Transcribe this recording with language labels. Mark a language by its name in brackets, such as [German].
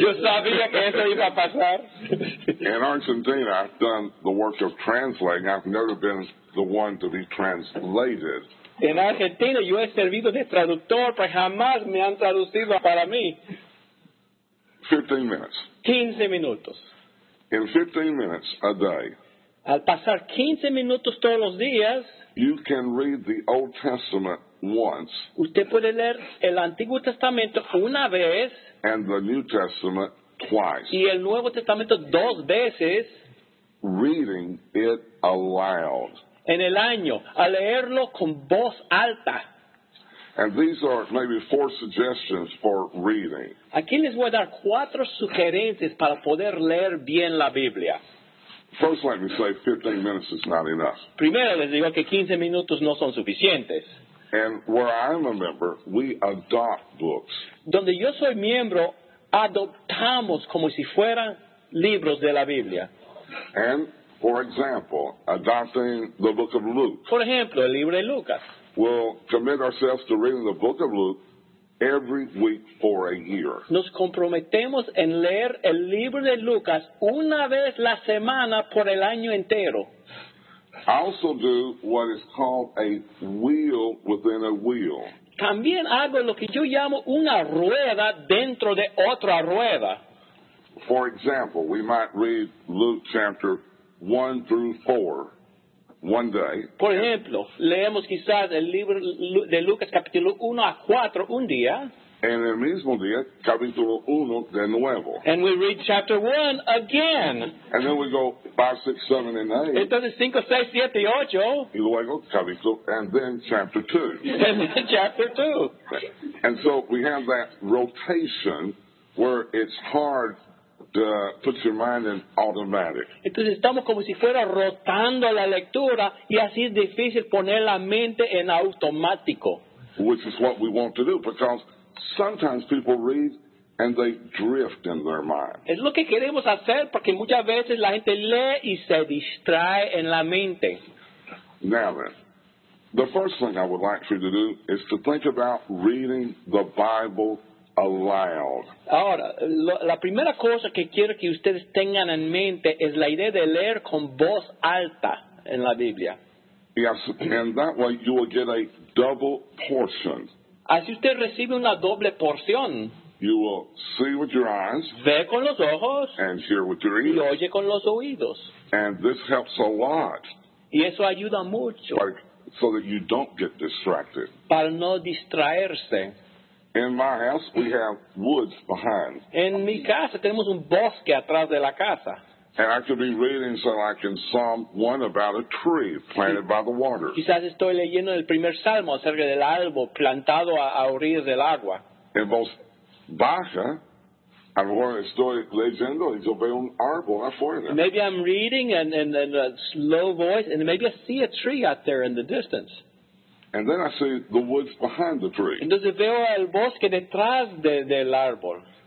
[Spanish] Yo sabía que eso iba a pasar. [English] In Argentina, I've done the work of translating. I've never been the one to be translated. [Spanish] En Argentina, yo he servido de traductor, pero jamás me han traducido para mí. [English] 15 minutes. [Spanish] 15 minutos. [English] In 15 minutes a day. [Spanish] Al pasar 15 minutos todos los días. [English] You can read the Old Testament once. [Spanish] Usted puede leer el Antiguo Testamento una vez. [English] And the New Testament twice. [Spanish] Y el Nuevo Testamento dos veces. [English] Reading it aloud. [Spanish] En el año, a leerlo con voz alta. [English] And these are maybe four suggestions for reading. [Spanish] Aquí les voy a dar cuatro sugerencias para poder leer bien la Biblia. [English] First, let me say 15 minutes is not enough. [Spanish] Primero les digo que 15 minutos no son suficientes. [English] And where I'm a member, we adopt books. [Spanish] Donde yo soy miembro, adoptamos como si fueran libros de la Biblia. [English] And, for example, adopting the book of Luke. [Spanish] Por ejemplo, el libro de Lucas. [English] We'll commit ourselves to reading the book of Luke every week for a year. [Spanish] Nos comprometemos en leer el libro de Lucas una vez la semana por el año entero. [English] I also do what is called a wheel within a wheel. [Spanish] También hago lo que yo llamo una rueda dentro de otra rueda. [English] For example, we might read Luke chapter 1 through 4 one day. [Spanish] Por ejemplo, leemos quizás el libro de Lucas capítulo 1 a 4 un día. En el mismo día, capítulo 1 de nuevo. [English] And we read chapter 1 again. And then we go 5, 6, 7, and 8. [Spanish] Entonces 5, 6, 7, 8. Y luego capítulo, [English] and then chapter 2. And then chapter 2. And so we have that rotation where it's hard to put your mind in automatic. [Spanish] Entonces estamos como si fuera rotando la lectura y así es difícil poner la mente en automático. [English] Which is what we want to do because sometimes people read and they drift in their mind. [Spanish] Es lo que queremos hacer porque muchas veces la gente lee y se distrae en la mente. [English] Now then, the first thing I would like for you to do is to think about reading the Bible aloud. [Spanish] Ahora, la primera cosa que quiero que ustedes tengan en mente es la idea de leer con voz alta en la Biblia. [English] Yes, and that way you will get a double portion. [Spanish] Así usted recibe una doble porción. [English] You will see with your eyes. [Spanish] Ve con los ojos. [English] And hear with your ears. [Spanish] Y oye con los oídos. [English] And this helps a lot. [Spanish] Y eso ayuda mucho. [English] So that you don't get distracted. [Spanish] Para no distraerse. [English] In my house, we have woods behind. [Spanish] En mi casa tenemos un bosque atrás de la casa. [English] And I could be reading so like in Psalm 1 about a tree planted by the water. [Spanish] Quizás estoy leyendo el primer salmo acerca del árbol plantado a orillas del agua. En voz baja, a lo mejor estoy leyendo y yo veo un árbol afuera. [English] Maybe I'm reading in a slow voice and maybe I see a tree out there in the distance. And then I see the woods behind the tree. [Spanish] Entonces veo el bosque detrás del árbol.